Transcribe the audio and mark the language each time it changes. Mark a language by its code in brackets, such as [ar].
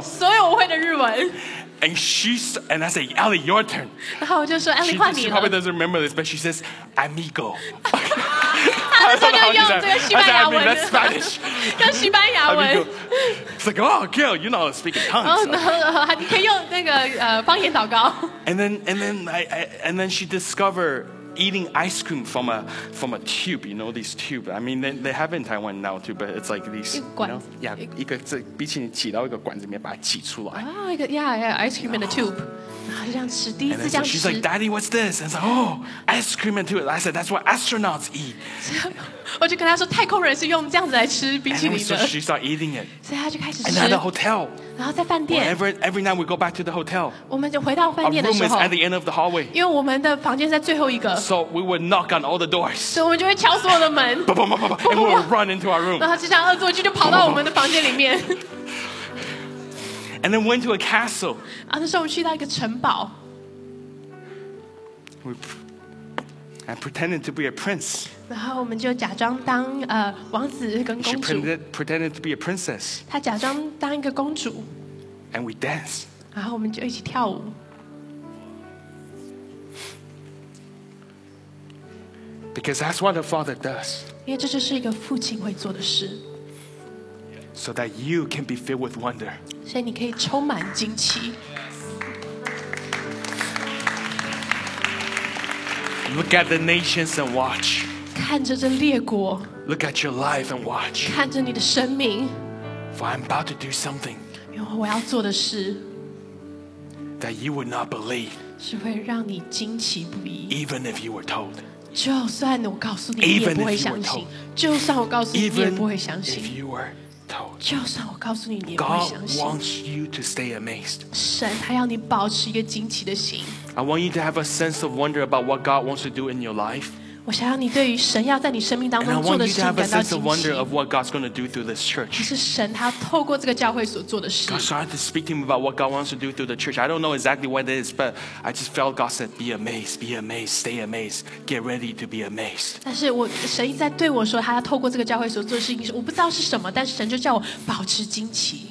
[zh] 所有我会的日文。 [en] And she's, and I say, Ellie, your turn. [zh] 然后我就说 Ellie 换你了。 [en] She probably doesn't remember this, but she says, amigo. [zh] 他就用这个西班牙文。 [en] I mean, that's Spanish. [zh] 用西班牙文。 [en] It's like, oh, girl, you know how to speak in tongues. [zh] 然后你可以用那个方言祷告。 [en] And then she discovered eating ice cream from a tube. You know these tube. I mean, they have in Taiwan now too, but it's like these. [zh] 管子。 Yeah, 一个这比起你挤到一个管子里面把它挤出来。 [en] Ice cream in a tube. [zh] 然后就这样吃，第一次这样吃。 [en] And then, so she's like, Daddy, what's this? And it's like, oh, ice cream and tea. I said, that's what astronauts eat. [zh] 我就跟他说，太空人是用这样子来吃冰淇淋的。 [en] And then, so she started eating it. [zh] 所以他就开始吃。 [en] And at the hotel. [zh] 然后在饭店。 [en] Every night we go back to the hotel. [zh] 我们就回到饭店的时候。 [en] Our room is at the end of the hallway. [zh] 因为我们的房间在最后一个。 [en] So we would knock on all the doors. [zh] 所以我们就会敲所有的门。 [en] Boom, boom, boom, boom. And we would run into our room. [zh] 然后就这样恶作剧就跑到我们的房间里面。 [en] And then went to a castle. [zh] 啊，那时候我们去到一个城堡。 [en] I pretended to be a prince. [zh] 然后我们就假装当王子跟公主。 [en] She pretended to be a princess. [zh] 她假装当一个公主。 [en] And we dance. [zh] 然后我们就一起跳舞。 [en] Because that's what a father does. [zh] 因为这就是一个父亲会做的事。 [en] So that you can be filled with wonder. [zh] 所以你可以充满惊奇。 [en] Look at the nations and watch. [zh] 看着这列国。 [en] Look at your life and watch. [zh] 看着你的生命。 [en] For I'm about to do something. [zh] 因为我要做的事。 [en] That you would not believe. [zh] 是会让你惊奇不已。 [en] Even if you were told. [zh] 就算我告诉你，你也不会相信。就算我告诉你，你也不会相信。 [en] Even if you were told. [zh] 就算我告诉你，你也不会相信。 [en] God wants you to stay amazed. [zh] 神，他要你保持一个惊奇的心。 [en] I want you to have a sense of wonder about what God wants to do in your life. [zh] 我想要你对于神要在你生命当中做的事感到惊奇。 [en] And I want you to have a sense of wonder of what God's going to do through this church. [zh] 是神，他透过这个教会所做的事。 [en] God started to speak to me about what God wants to do through the church. I don't know exactly what it is, but I just felt God said, "Be amazed, be amazed, stay amazed, get ready to be amazed." [zh] 但是我神一直在对我说，他要透过这个教会所做的事情，我不知道是什么，但是神就叫我保持惊奇。